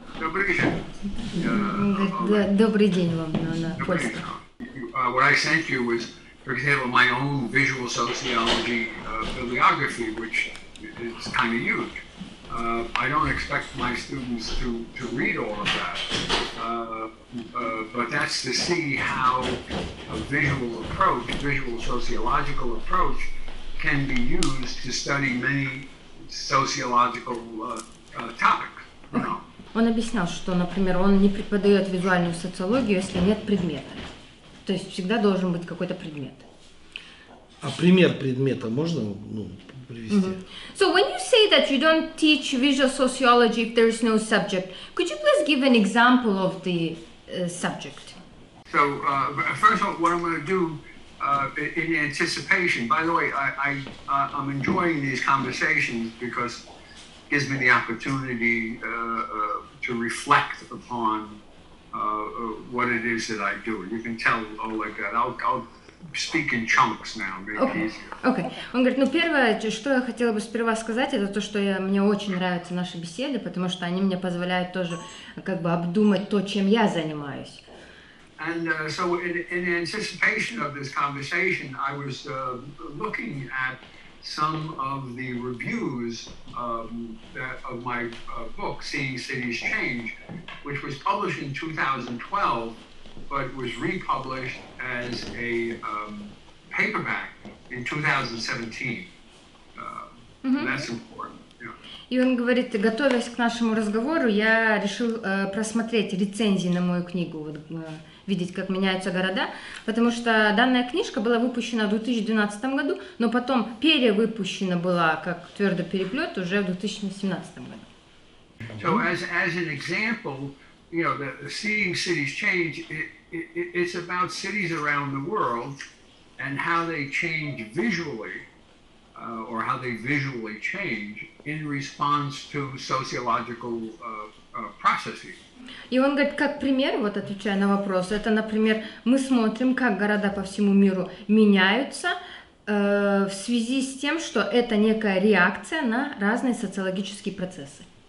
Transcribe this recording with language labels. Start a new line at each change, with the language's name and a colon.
Russian: Добрый день вам на польском.
English: What I sent you was, for example, my own visual sociology bibliography, which is kind of huge. I don't expect my students to read all of that, but that's to see how a visual approach, visual sociological approach, can be used to study many sociological topics.
Russian: Он объяснял, что, например, он не преподает визуальную социологию, если нет предмета. То есть всегда должен быть какой-то предмет. А пример предмета можно, ну, привести? Mm-hmm.
English: So when you say that you don't teach visual sociology if there is no subject, could you please give an example of the subject? So first of all, what I'm going to do in anticipation, by the way, I'm enjoying these conversations because gives me the opportunity to reflect upon what it is that I do. You can tell Oleg that. I'll speak in chunks now, maybe easier. Okay.
Russian: Он говорит, ну первое, что я хотела бы сперва сказать, это то, что мне очень нравятся наши беседы, потому что они мне позволяют тоже как бы обдумать то, чем я занимаюсь.
English: And so in anticipation of this conversation, I was looking at some of the reviews of my book, Seeing Cities Change, which was published in 2012, but was republished as a paperback in 2017. Mm-hmm. That's important.
Russian: И он говорит, готовясь к нашему разговору, я решил просмотреть рецензии на мою книгу, вот, видеть, как меняются города, потому что данная книжка была выпущена в 2012 году, но потом перевыпущена была как твердый переплет уже в 2017 году.
English: So as an example, you know, the Seeing Cities Change, it's about cities around the world and how they change visually. Or how they visually change in response to sociological processes.
Russian: И он говорит, как пример, вот отвечая на вопрос, это, например, мы смотрим, как города по всему миру меняются в связи с тем, что это некая реакция на разные социологические процессы.